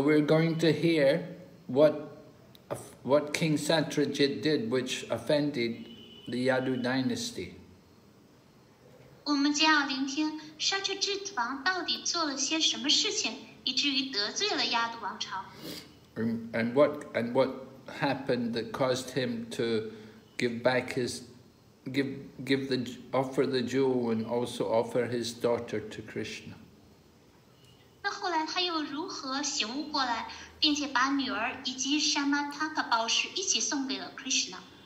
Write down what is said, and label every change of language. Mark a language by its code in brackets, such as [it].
[en] we're going to hear what King Satrajit did, which offended the Yadu dynasty. [zh] 我们将要聆听沙特智子王到底做了些什么事情，以至于得罪了亚度王朝。 [en] And what happened that caused him to offer the jewel and also offer his daughter to Krishna? [zh] 那后来他又如何醒悟过来，并且把女儿以及Syamantaka宝石一起送给了Krishna?